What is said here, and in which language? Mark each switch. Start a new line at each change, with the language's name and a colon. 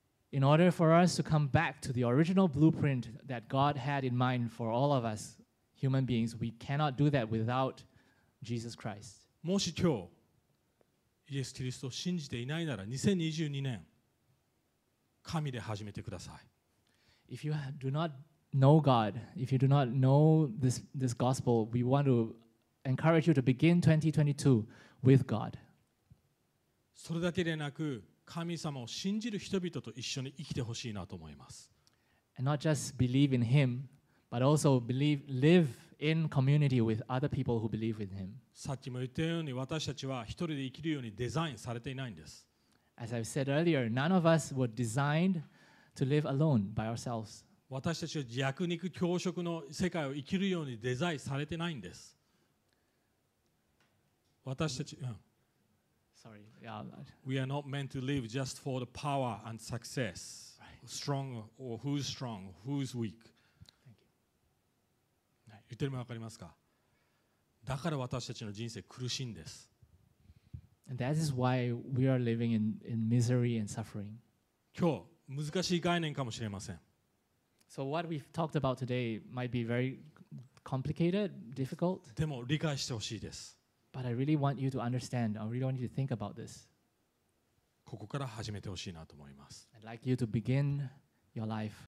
English: In order for us to come back to the original blueprint that God had in mind for all of us human beings, we cannot do that without Jesus Christ.
Japanese: もし今日、イエス・キリストを信じていないなら、2022年、神で始めてください。
English: If you do not know God, if you do not know this gospel, we want to encourage you to begin 2022 with God.
Japanese: それだけでなく、神様を信じる人々と一緒に生きてほしいなと思います。
English: And not just believe in Him, but also believe, live in community with other people who believe in Him.
Japanese: さっきも言ったように、私たちは一人で生きるようにデザインされていないんです。
English: As I've said earlier, none of us were designed to live alone by ourselves.
Japanese: 私たちは弱肉強食の世界を生きるようにデザインされてないんです。私たち、うん。
English: Sorry. Yeah. We are not meant to live just for the power and success. Strong or who's strong, who's weak. Thank you.
Japanese: 言ってるのわかりますか？だから私たちの人生苦しいんです。
English: And that is why we are living in misery and suffering.
Japanese: 今日難しい概念かもしれません。
English: So what we've talked about today might be very complicated, difficult.
Japanese: でも理解してほしいです。
English: But I really want you to understand. I really want you to think about this.
Japanese: ここから始めてほしいなと思います。
English: I'd like you to begin your life.